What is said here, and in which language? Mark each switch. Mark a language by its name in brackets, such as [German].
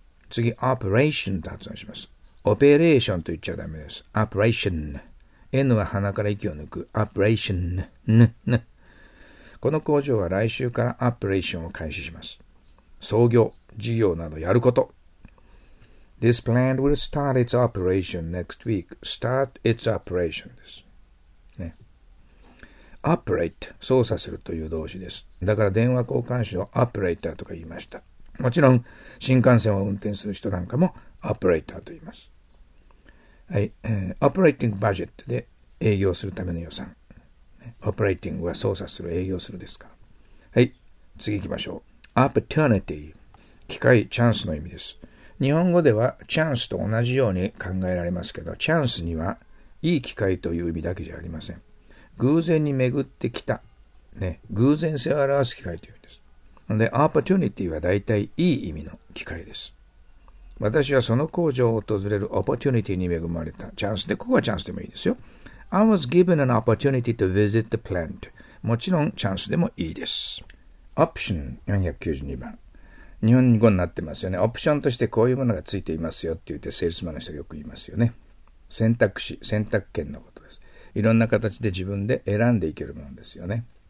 [Japanese] 次、オペレーションと発音します。オペレーションと言っちゃダメです。オペレーション。 N は鼻から息を抜く。オペレーション。この工場は来週からオペレーションを開始します。創業、事業などやること。 [English] This plant will start its operation next week. Start its operation [Japanese] です。ね。Operate、操作するという動詞です。だから電話交換士をオペレーターとか言いました。もちろん、新幹線を運転する人なんかもオペレーターと言います。はい。Operating budget で営業するための予算。 Operating は操作する、営業するですか。はい。次行きましょう。Opportunity。機会、チャンスの意味です。日本語ではチャンスと同じように考えられますけど、チャンスにはいい機会という意味だけじゃありません。偶然に巡ってきた。ね。偶然性を表す機会という意味です。で、Opportunity は大体いい意味の機会です。私はその工場を訪れるオポチュニティに恵まれた。チャンスで、ここはチャンスでもいいですよ。 [English] I was given an opportunity to visit the plant. [Japanese] もちろんチャンスでもいいです。 Option 492番。日本語になってますよね。オプションとしてこういうものがついていますよって言ってセールスマンの人がよく言いますよね。選択肢、選択権のことです。いろんな形で自分で選んでいけるものですよね。